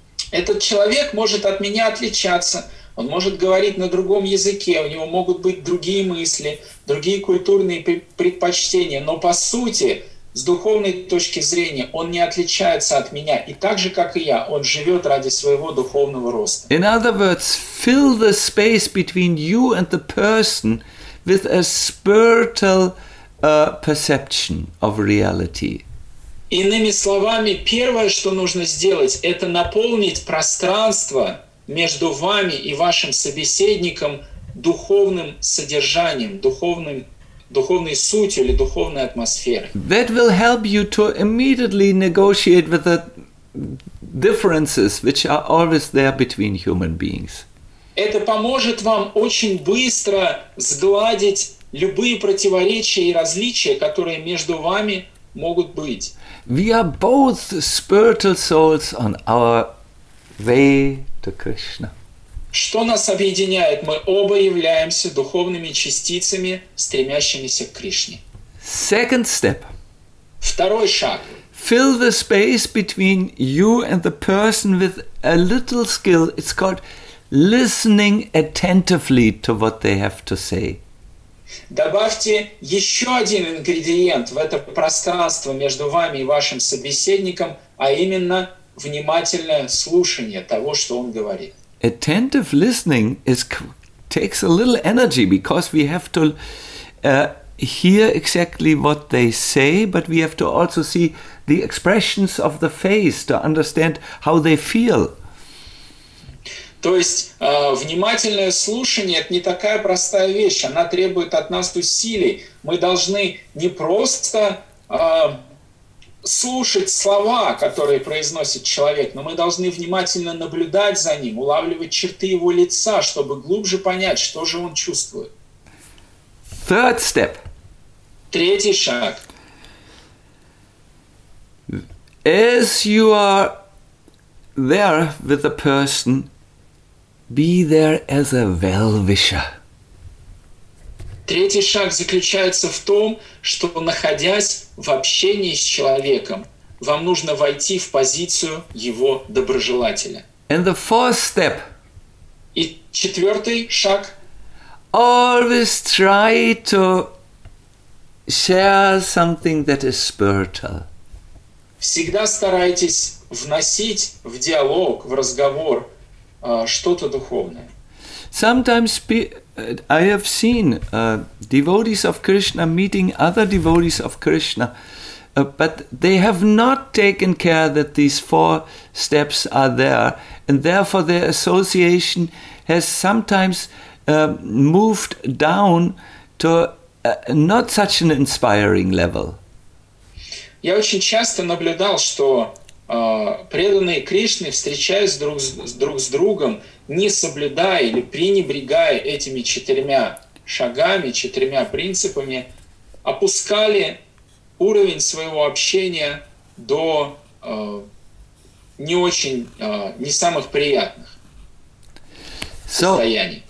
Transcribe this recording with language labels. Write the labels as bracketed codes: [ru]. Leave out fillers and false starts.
[ru] Этот человек может от меня отличаться. Он может говорить на другом языке, у него могут быть другие мысли, другие культурные предпочтения, но по сути, с духовной точки зрения, он не отличается от меня, и так же, как и я, он живет ради своего духовного роста. [en] In other words, fill the space between you and the person with a spiritual perception of reality. [ru] Иными словами, первое, что нужно сделать, это наполнить пространство между вами и вашим собеседником духовным содержанием, духовной сутью или духовной атмосферой. [en] That will help you to immediately negotiate with the differences which are always there between human beings. [ru] Это поможет вам очень быстро сгладить любые противоречия и различия, которые между вами могут быть. [en] We are both spiritual souls on our way to Krishna. [ru] Что нас объединяет? Мы оба являемся духовными частицами, стремящимися к Кришне. [en] Second step. [ru] Второй шаг. [en] Fill the space between you and the person with a little skill. It's called listening attentively to what they have to say. [ru] Добавьте еще один ингредиент в это пространство между вами и вашим собеседником, а именно внимательное слушание того, что он говорит. [en] Attentive listening takes a little energy because we have to hear exactly what they say, but we have to also see the expressions of the face to understand how they feel. [ru] То есть внимательное слушание — это не такая простая вещь, она требует от нас усилий. Мы должны не просто слушать слова, которые произносит человек, но мы должны внимательно наблюдать за ним, улавливать черты его лица, чтобы глубже понять, что же он чувствует. [en] Third step. [ru] Третий шаг. [en] As you are there with the person, be there as a well-wisher. [ru] Третий шаг заключается в том, что, находясь в общении с человеком, вам нужно войти в позицию его доброжелателя. [en] And the fourth step. [ru] И четвертый шаг. [en] Always try to share something that is spiritual. [ru] Всегда старайтесь вносить в диалог, в разговор что-то духовное. [en] Sometimes I have seen devotees of Krishna meeting other devotees of Krishna, but they have not taken care that these four steps are there, and therefore their association has sometimes moved down to not such an inspiring level. [ru] Я очень часто наблюдал, что преданные Кришны, встречаясь друг с другом, не соблюдая или пренебрегая этими четырьмя шагами, четырьмя принципами, опускали уровень своего общения до не самых приятных состояний.